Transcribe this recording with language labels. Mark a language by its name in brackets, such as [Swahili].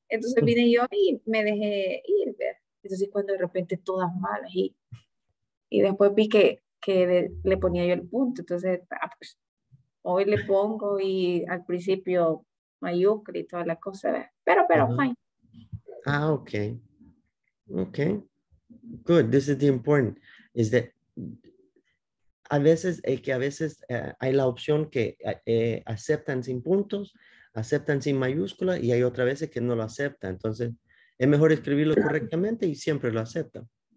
[Spanish] Entonces vine yo y me dejé ir, ¿verdad? Entonces cuando de repente todas malas y después vi que le ponía yo el punto. Entonces, pues, hoy le pongo y al principio mayúscula y toda la cosa, ¿verdad? Pero, [English] uh-huh. Fine. Okay. Okay. Good. This is the important, is that [Spanish] A veces, que a veces hay la opción que aceptan sin puntos, aceptan sin mayúscula, y hay otras veces que no lo aceptan. Entonces, es mejor escribirlo correctamente y siempre lo aceptan.